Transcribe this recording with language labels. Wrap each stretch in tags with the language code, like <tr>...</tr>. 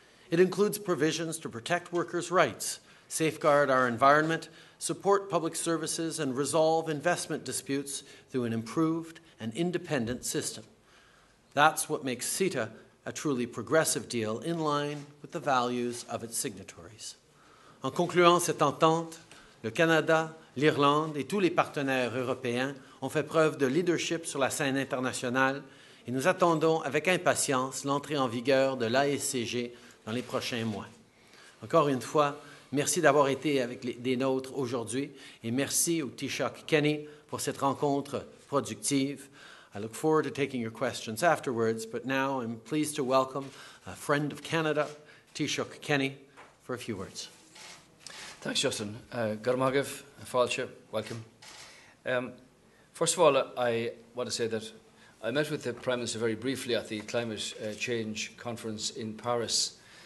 <en>It includes provisions to protect workers' rights, safeguard our environment, support public services, and resolve investment disputes through an improved and independent system. That's what makes CETA a truly progressive deal in line with the values of its signatories.</en> <fr>En concluant cette entente, le Canada, l'Irlande et tous les partenaires européens ont fait preuve de leadership sur la scène internationale et nous attendons avec impatience l'entrée en vigueur de l'ASCG dans les prochains mois. Encore une fois, merci d'avoir été avec des nôtres aujourd'hui et merci au Taoiseach Kenny pour cette rencontre productive.</fr> <en>I look forward to taking your questions afterwards, but now I'm pleased to welcome a friend of Canada, Taoiseach Kenny, for a few words. Thanks, Justin. Garmagav, Falcha, welcome. First of all, I want to say that I met with the Prime Minister very briefly at the Climate Change Conference in Paris.</en>